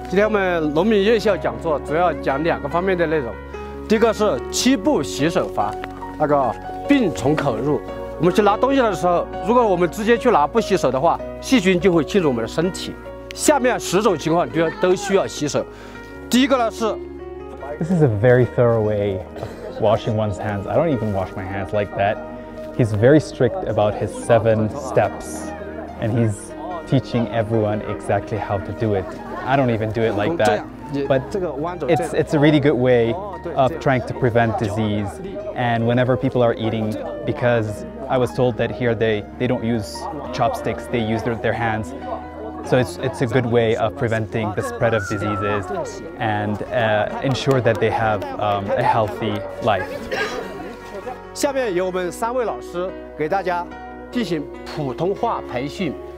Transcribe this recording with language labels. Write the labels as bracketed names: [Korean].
[Chinese] 今天我们农民院校讲座主要讲两个方面的内容，第一个是七步洗手法，那个病从口入。我们去拿东西的时候，如果我们直接去拿不洗手的话，细菌就会进入我们的身体。下面十种情况都需要洗手。第一个呢是 [English] This is a very thorough way of washing one's hands. I don't even wash my hands like that. He's very strict about his 7 steps. And he's teaching everyone exactly how to do it. I don't even do it like that. But it's a really good way of trying to prevent disease. And whenever people are eating, because I was told that here they don't use chopsticks, they use their hands. So it's a good way of preventing the spread of diseases and ensure that they have a healthy life. [Chinese] 下面由我们三位老师给大家进行普通话培训。